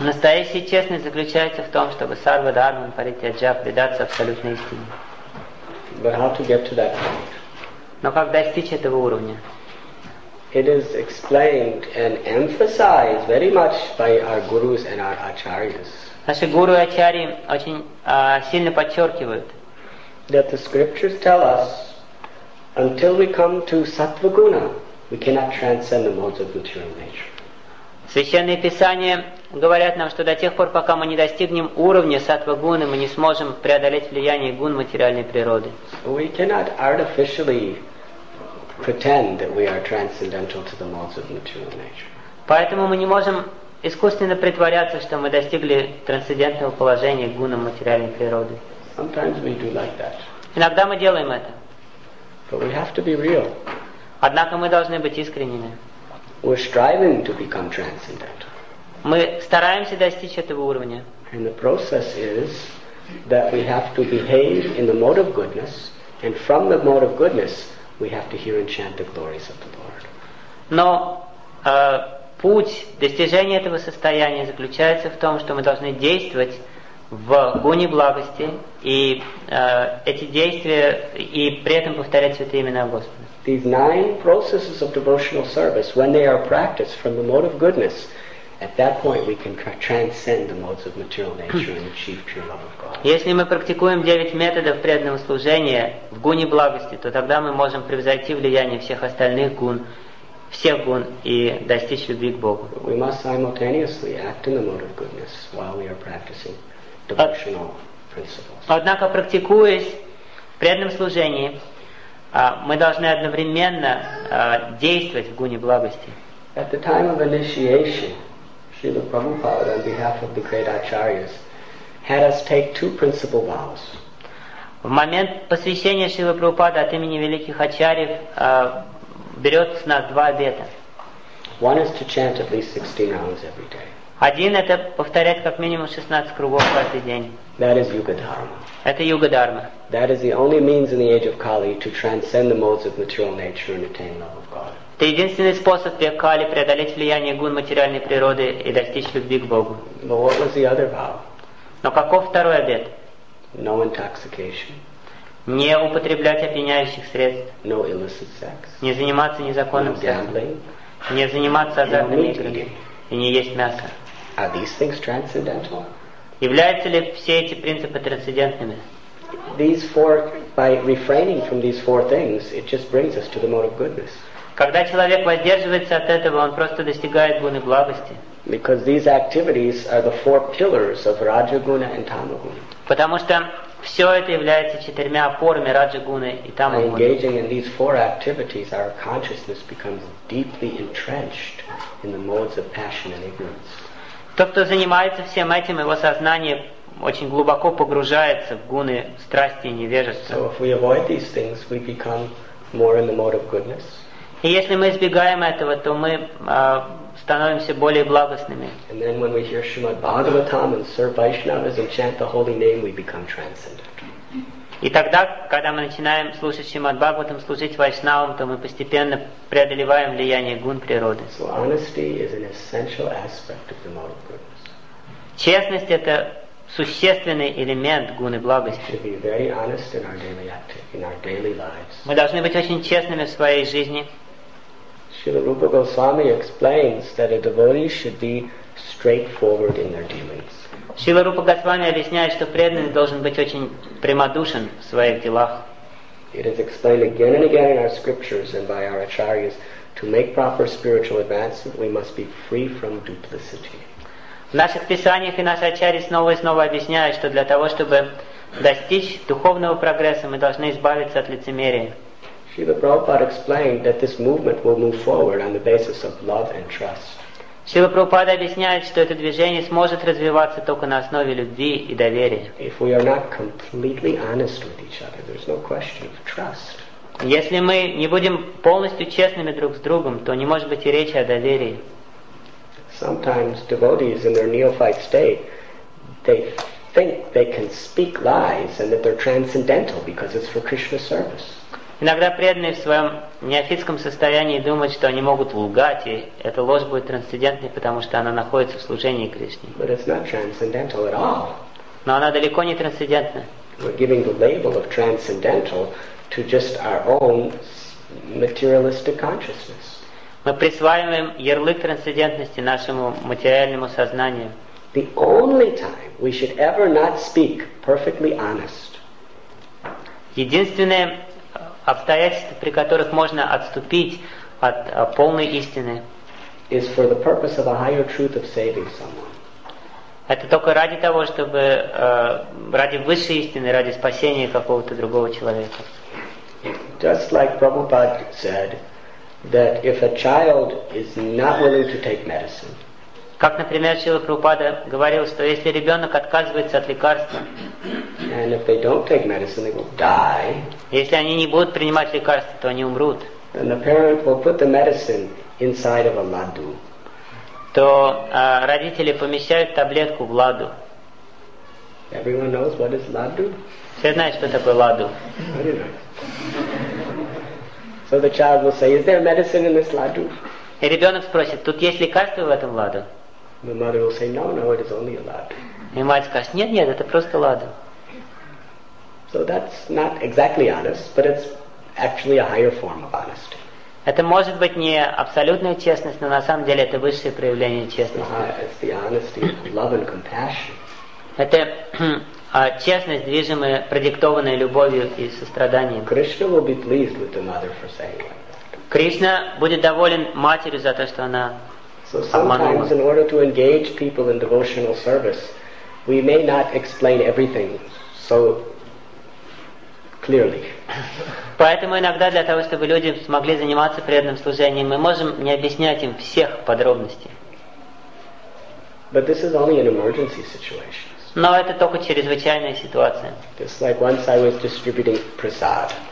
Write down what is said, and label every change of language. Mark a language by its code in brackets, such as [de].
[ru] Настоящая честность заключается в том, чтобы сарва дхарма паритяджа предаться абсолютной истине. [en] But how to get to that point? [ru] Но как достичь этого уровня? [en] It is explained and emphasized very much by our gurus and our acharyas. [ru] Наши гуру и ачарьи очень сильно подчеркивают. [en] That the scriptures tell us, until we come to sattva-guna, we cannot transcend the modes of material nature. [ru] Священные писания говорят нам, что до тех пор, пока мы не достигнем уровня сатва-гуны, мы не сможем преодолеть влияние гун материальной природы. [en] We cannot artificially pretend that we are transcendental to the modes of material nature. [ru] Поэтому мы не можем искусственно притворяться, что мы достигли трансцендентного положения гуна материальной природы. [en] Sometimes we do like that. [ru] Иногда мы делаем это. [en] But we have to be real. [ru] Однако мы должны быть искренними. [en] We're striving to become transcendental. [ru] Мы стараемся достичь этого уровня. [en] And the process is that we have to behave in the mode of goodness, and from the mode of goodness, we have to hear and chant the glories of the Lord. [ru] Но путь достижения этого состояния заключается в том, что мы должны действовать в гуне благости, и эти действия, и при этом повторять святые имена Господа. [en] These nine processes of devotional service, when they are practiced from the mode of goodness, at that point we can transcend the modes of material nature and achieve true love of God. [ru] Если мы практикуем девять методов преданного служения в гуне благости, то тогда мы можем превзойти влияние всех остальных гун, всех гун и достичь любви к Богу. [en] We must simultaneously act in the mode of goodness while we are practicing devotional principles. [ru] Однако, практикуясь в преданном служении, мы должны одновременно действовать в гуне благости. [en] At the time of initiation, Srila Prabhupada, on behalf of the great acharyas, had us take two principal vows. [ru] В момент посвящения Шрилы Прабхупады от имени великих ачарьев берет с нас два обета. [en] One is to chant at least 16 rounds every day. [ru] Один это повторять как минимум 16 кругов каждый день. [en] That is yuga dharma. [ru] Это юга дхарма. [en] That is the only means in the age of Kali to transcend the modes of material nature and attain love of God. [ru] Это единственный способ в век Кали преодолеть влияние гун материальной природы и достичь любви к Богу. [en] But what was the other vow? [ru] Но каков второй обет? [en] No intoxication. [ru] Не употреблять опьяняющих средств. [en] No illicit sex. [ru] Не заниматься незаконным сексом. [en] No gambling. [ru] Не заниматься азартными играми. И не есть мясо. [en] Are these things transcendental? [ru] Являются ли все эти принципы трансцендентными? [en] These four, by refraining from these four things, it just brings us to the mode of goodness. [ru] Когда человек воздерживается от этого, он просто достигает гуны благости. [en] Because these activities are the four pillars of Rajaguna and Tamaguna. [ru] Потому что все это является четырьмя опорами Раджа-гуны и Тама-гуны. [en] By engaging in these four activities, our consciousness becomes deeply entrenched in the modes of passion and ignorance. [ru] Тот, кто занимается всем этим, его сознание очень глубоко погружается в гуны страсти и невежества. [en] So if we avoid these things, we become more in the mode of goodness. [ru] И если мы избегаем этого, то мы становимся более благостными. [en] And then when we hear Srimad Bhagavatam and serve Vaishnavas and chant the holy name, we become transcendent. [ru] И тогда, когда мы начинаем слушать Шримад Бхагаватам, служить Вайшнавам, то мы постепенно преодолеваем влияние гун природы. [en] So honesty is an essential aspect of the mode of goodness. [ru] Честность — это существенный элемент гуны благости. [en] We should be very honest in our daily activity, in our daily lives. [ru] Мы должны быть очень честными в своей жизни. [en] Srila Rupa Goswami explains that a devotee should be straightforward in their dealings. [ru] Шрила Рупа Госвами объясняет, что преданный должен быть очень прямодушен в своих делах. [en] It is explained again and again in our scriptures and by our acharyas. To make proper spiritual advancement, we must be free from duplicity. [ru] В наших писаниях и наши ачарьи снова и снова объясняют, что для того, чтобы достичь духовного прогресса, мы должны избавиться от лицемерия. [en] Шрила Прабхупада explained that this movement will move forward on the basis of love and trust. [ru] Шрила Прабхупада объясняет, что это движение сможет развиваться только на основе любви и доверия. [en] If we are not completely honest with each other, there's no question of trust. [ru] Если мы не будем полностью честными друг с другом, то не может быть и речи о доверии. [en] Sometimes devotees in their neophyte state, they think they can speak lies and that they're transcendental because it's for Krishna's service. [ru] Иногда преданные в своем неофитском состоянии думают, что они могут лгать, и эта ложь будет трансцендентной, потому что она находится в служении Кришне. [en] But it's not transcendental at all. [ru] Но она далеко не трансцендентна. [en] We're giving the label of transcendental to just our own materialistic consciousness. [ru] Мы присваиваем ярлык трансцендентности нашему материальному сознанию. [en] The only time we should ever not speak perfectly honest. [ru] Единственное обстоятельство, при которых можно отступить от полной истины, [en] is for the purpose of a higher truth of saving someone. [ru] Это только ради того, чтобы ради высшей истины, ради спасения какого-то другого человека. [en] Just like Prabhupada said, that if a child is not willing to take medicine, [ru] как, например, Шрила Прабхупада говорил, что если ребенок отказывается от лекарства, [en] and if they don't take medicine, they will die. [ru] Если они не будут принимать лекарства, то они умрут. [en] Then the parent will put the medicine inside of a laddu. [ru] То родители помещают таблетку в ладу. [en] Everyone knows what is laddu. [ru] Все знают, что такое ладу. [en] So the child will say, "Is there medicine in this ladu?" [ru] И ребенок спросит: "Тут есть лекарство в этом ладу?" [en] The mother will say, "No, no, it is only a ladu." [ru] И мать скажет: "Нет, нет, это просто ладу." [en] So that's not exactly honest, but it's actually a higher form of honesty. [ru] Это может быть не абсолютная честность, но на самом деле это высшее проявление честности. [en] It's the honesty of love and compassion. [ru] Это честность, движимая, продиктованная любовью и состраданием. [en] Krishna will be pleased with the mother for saying that. [ru] Кришна будет доволен матерью за то, что она обманула. [en] So sometimes, in order to engage people in devotional service, we may not explain everything so clearly. [ru] Поэтому иногда для того, чтобы люди смогли заниматься преданным служением, мы можем не объяснять им всех подробностей. [en] But this is only an emergency situation. [ru] Но это только чрезвычайная ситуация. [en] Just like once I was distributing prasad.